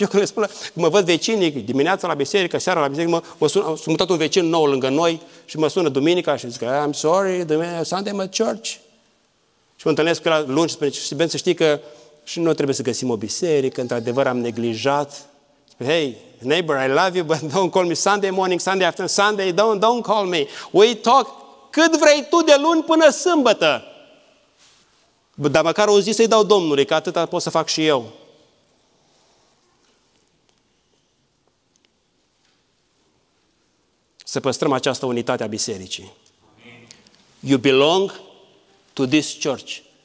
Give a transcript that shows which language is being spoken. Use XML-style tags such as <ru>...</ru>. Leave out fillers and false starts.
<ro>Eu când le spun, când mă văd vecinii, dimineața la biserică, seara la biserică, sunt mutat un vecin nou lângă noi și mă sună duminica și zic,</ro> <en>I'm sorry, Sunday I'm at church.</en> <ro>Și mă întâlnesc cu el lungi și spune, să știi că și noi trebuie să găsim o biserică, într-adevăr am neglijat.</ro> <en>Hey, neighbor, I love you, but don't call me Sunday morning, Sunday afternoon, Sunday, don't call me. We talk</en> <ro>cât vrei tu de luni până sâmbătă. Dar măcar o zi să-i dau Domnului, că atâta pot să fac și eu. Să păstrăm această unitate a bisericii.</ro> <en>You belong to this church.</en>